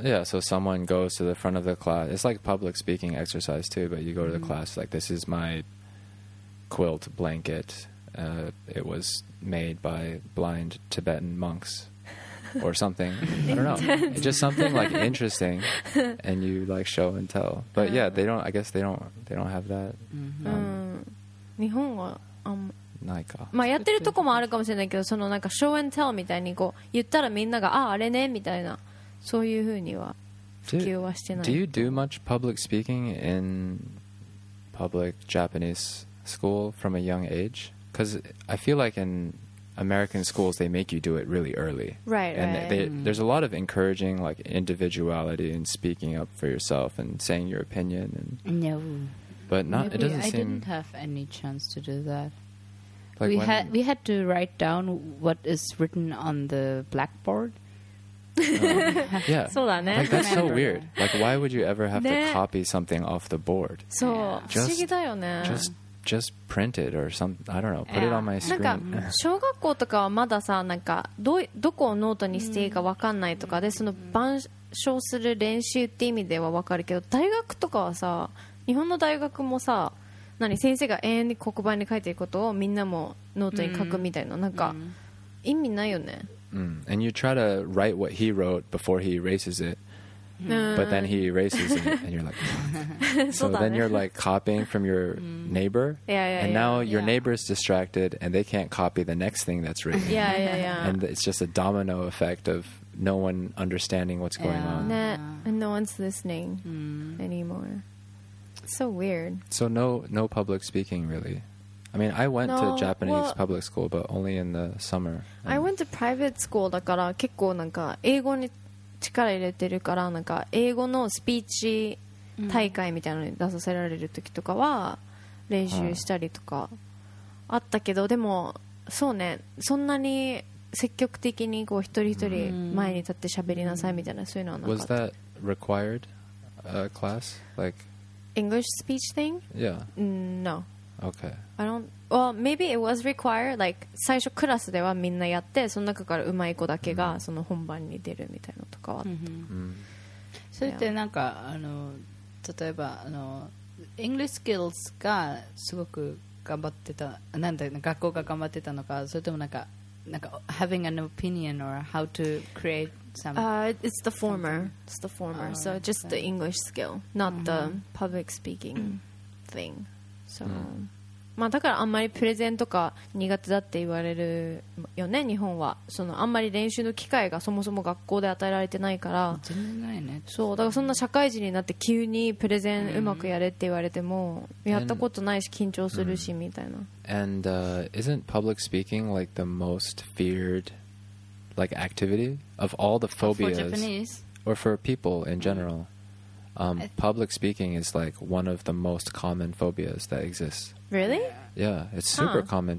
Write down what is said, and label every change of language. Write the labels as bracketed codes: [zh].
[en] Yeah, so someone goes to the front of the class. It's like public speaking exercise too, but you go to the class like, this is my quilt blanket. It was made by blind Tibetan monks or something. I don't know. It's just something like interesting and you like show and tell. But yeah, they don't, I guess they don't have that. [ja] Mm-hmm. 日本は、ないか。まあやってるとこもあるかもしれないけど、そのなんか [en] show and tell [ja] みたいにこう言ったらみんながあああれねみたいな、そういうふうには普及はしてない。 [en] Do you do much public speaking in public Japanese school from a young age? Because I feel like in American schools they make you do it really early. Right, and right. They, there's a lot of encouraging like individuality and speaking up for yourself and saying your opinion. And, no. But not. Maybe it doesn't seem. I didn't have any chance to do that. Like we had to write down what is written on the blackboard. yeah. [ja] そうだね。 [en] Like that's so weird. Like why would you ever have to copy something off the board? [ja] そう。不思議だよね。 [en] Just print it or something. I don't know. Put it on my screen. [ja] なんか小学校とかはまださ、なんかどこをノートにしていいか分かんないとかで、その板書する練習って意味では分かるけど、大学とかはさ、日本の大学もさ、何先生が永遠に黒板に書いていることをみんなもノートに書くみたいな、なんか意味ないよね。 [en] And you try to write what he wrote before he erases it, but then he erases it, and you're like, so then you're like copying from your neighbor, and now your neighbor is distracted, and they can't copy the next thing that's written. Yeah, yeah, yeah. And it's just a domino effect of no one understanding what's going on. And no one's listening anymore. So weird. So no public speaking really. I mean, I went to Japanese public school, but only in the summer. I went to private school, [ja] だから結構なんか英語に力入れてるから、なんか英語のスピーチ大会みたいなのに出させられる時とかは練習したりとかあったけど、でもそうね、そんなに積極的にこう一人一人前に立って喋りなさいみたいな、そういうのはなかった。 [en] Was that required a class like? English speech thing? Yeah. No. Okay. I don't. Well, maybe it was required. [ja] Like, 最初クラスではみんなやって、その中からうまい子だけがその本番に出るみたいなとかはあった。それってなんか、あの、例えば、あの、 [en] English skills [ja] がすごく頑張ってた、なんだろう、学校が頑張ってたのか、それともなんか、 [en] having an opinion or how to create. It's the former. It's the former. Oh, so just the English skill, not the public speaking thing. [ja] So, まあだからあんまりプレゼンとか苦手だって言われるよね、日本は。そのあんまり練習の機会がそもそも学校で与えられてないから。全然ないね。そう、だからそんな社会人になって急にプレゼンうまくやれって言われても、やったことないし緊張するしみたいな。 [en] And isn't public speaking like the most feared? Like activity of all the phobias, for Japanese. Or for people in general, public speaking is like one of the most common phobias that exists. Really? Yeah, it's super common.